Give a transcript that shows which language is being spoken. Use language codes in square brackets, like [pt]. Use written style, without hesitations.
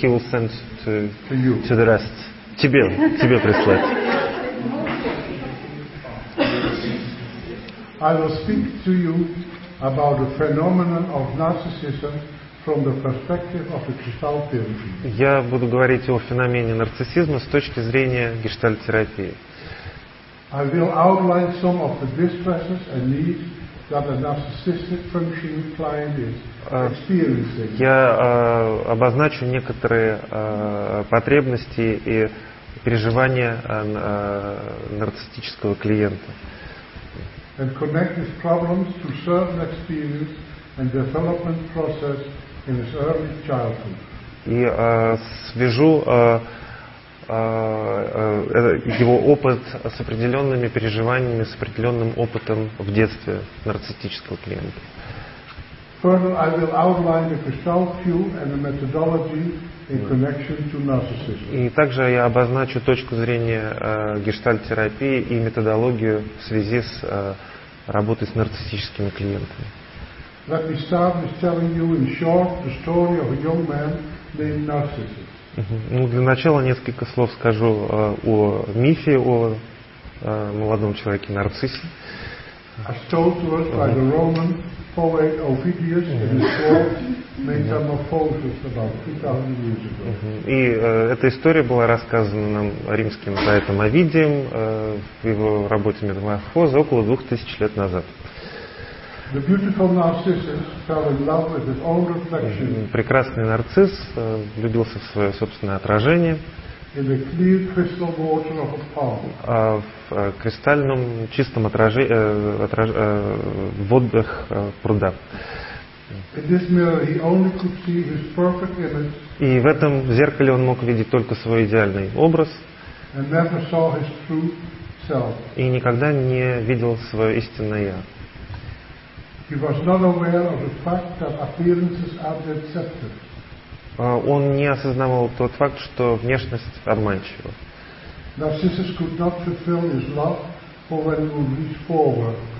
[en] he will send to you, to the rest. [ru] Тебе, тебе прислать. [en] I will speak to you about the phenomenon of narcissism from the perspective of gestalt therapy. [ru] Я буду говорить о феномене нарциссизма с точки зрения гештальт-терапии. [en] I will outline some of the distresses and needs that a narcissistic functioning client is experiencing. [ru] Я обозначу некоторые потребности и переживания нарциссического клиента. [en] And connect these problems to certain experience and development process in his early childhood. [ru] И свяжу его опыт с определенными переживаниями, с определенным опытом в детстве нарциссического клиента. [en] Further, I will outline the gestalt view and the methodology in connection to narcissism. [ru] И также я обозначу точку зрения гештальт-терапии и методологию в связи с работой с нарциссическими клиентами. [en] Let me start with telling you in short the story of a young man named Narcissus. [ru] Ну, для начала несколько слов скажу о мифе о молодом человеке нарциссе. [en] As told to us by the Roman poet Ovidius in his work Metamorphosis about 2000 years ago. [ru] И эта история была рассказана нам римским поэтом Овидием в его работе Метаморфоза около 2000 лет назад. [en] The beautiful Narcissus fell in love with his own reflection. [ru] Прекрасный нарцисс влюбился в свое собственное отражение. [en] In the clear crystal water of a pond. [ru] В кристальном чистом водах пруда. [en] In this mirror he only could see his perfect image. [ru] И в этом зеркале он мог видеть только свой идеальный образ. [en] And never saw his true self. [ru] И никогда не видел свое истинное я. [en] He was not aware of the fact that appearances are deceptive. [ru] Он не осознавал тот факт, что внешность обманчива. [en] Narcissus could not fulfill his love for when he would reach forward.